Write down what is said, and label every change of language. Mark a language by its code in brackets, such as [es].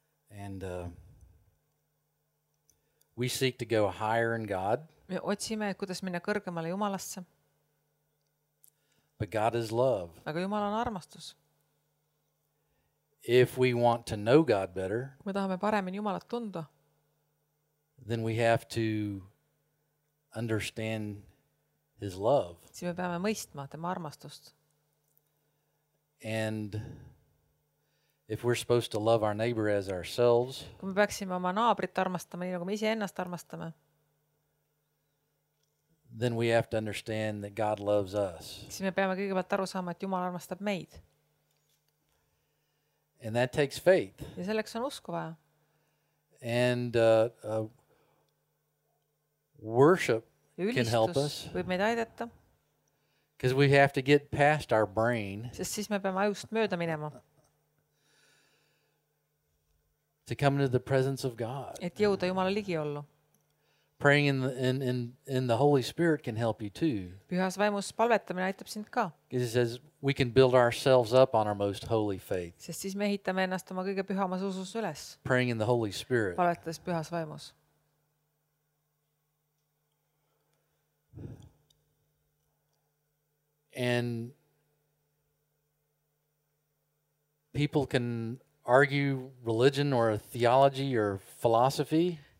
[en] And we seek to go higher in God. [et] Me otsime, kuidas minna kõrgemale Jumalasse. [en] But God is love. [et] Aga Jumal on armastus. [en] If we want to know God better, [et] me tahame paremini Jumalat tunda, [en] then we have to understand His love. [et] Siis me peame mõistma tema armastust. [en] And if we're supposed to love our neighbor as ourselves, [et] kui me peaksime oma naabrit armastama nii nagu me ise ennast armastame, [en] then we have to understand that God loves us. [et] Siis me peame kõigepealt aru saama, et Jumal armastab meid. [en] And that takes faith. [et] Ja selleks on usku vaja. [en] And worship can help us. [et] Võib meid aidata. [en] Because we have to get past our brain. [et] Sest siis me peame ajust mööda minema. [en] To come into the presence of God. [et] Et jõuda Jumala ligi olla. [en] Praying in the Holy Spirit can help you too. [et] Pühas vaimus palvetamine aitab sind ka. [en] Because it says we can build ourselves up on our most holy faith. [et] Sest siis me ehitame ennast oma kõige pühamas usus üles. [en] Praying in the Holy Spirit. [et] Palvetades pühas vaimus. [en] And people can argue religion or theology or philosophy.